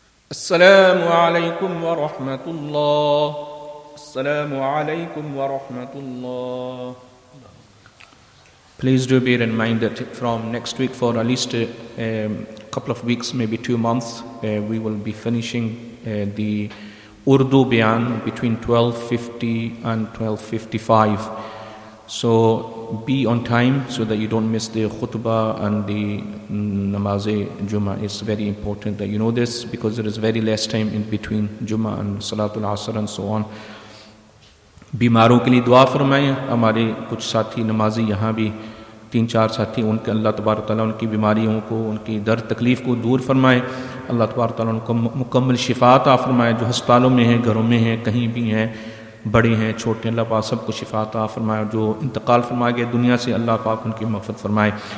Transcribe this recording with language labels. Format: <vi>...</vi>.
<ar>السلام عليكم ورحمة الله السلام عليكم ورحمة الله</ar> <en>Please do bear in mind that from next week for at least a couple of weeks, maybe 2 months, we will be finishing the Urdu Bayan between 12:50 and 12:55. So be on time so that you don't miss the khutbah and the Namaz-e-Jumma. It's very important that you know this because there is very less time in between Jumma and Salatul Asr and so on.</en> <ur>بیماروں کے لیے دعا فرمائیں ہمارے کچھ ساتھی نمازی یہاں بھی تین چار ساتھی ان کے اللہ تبارک تعالیٰ ان کی بیماریوں کو ان کی درد تکلیف کو دور فرمائیں اللہ تبارک تعالیٰ ان کو مکمل شفا عطا فرمائے جو ہسپتالوں میں ہیں گھروں میں ہیں کہیں بھی ہیں بڑے ہیں چھوٹے اللہ پاک سب کو شفا عطا فرمائے جو انتقال فرما گئے دنیا سے اللہ پاک ان کی مغفرت فرمائے</ur>